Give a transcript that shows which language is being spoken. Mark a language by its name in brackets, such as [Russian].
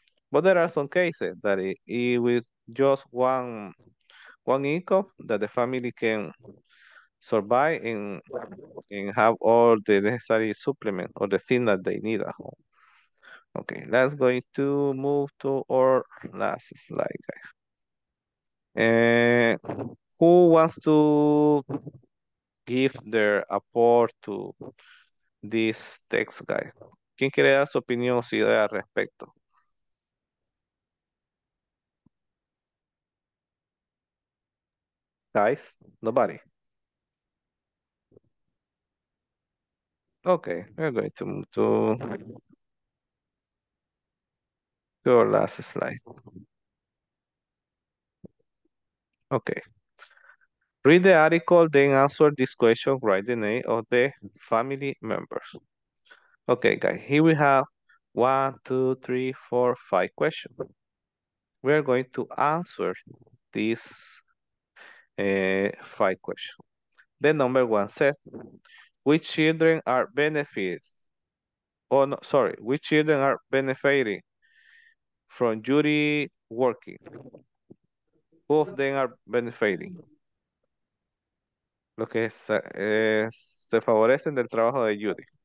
[English] But there are some cases that with just one income that the family can survive and have all the necessary supplements or the thing that they need at home. Okay, let's going to move to our last slide, guys. Who wants to give their aport to this text, guys? [Spanish] ¿Quién quiere dar su opinión o idea al respecto? [English] Guys, nobody. Okay, we're going to move to our last slide. Okay. Read the article, then answer this question, write the name of the family members. Okay, guys, here we have 1, 2, 3, 4, 5 questions. We are going to answer these 5 questions. The number one says, which children are benefiting from Judy working? Who of them are benefiting? [Spanish] Lo que es, se favorecen del trabajo de Judy.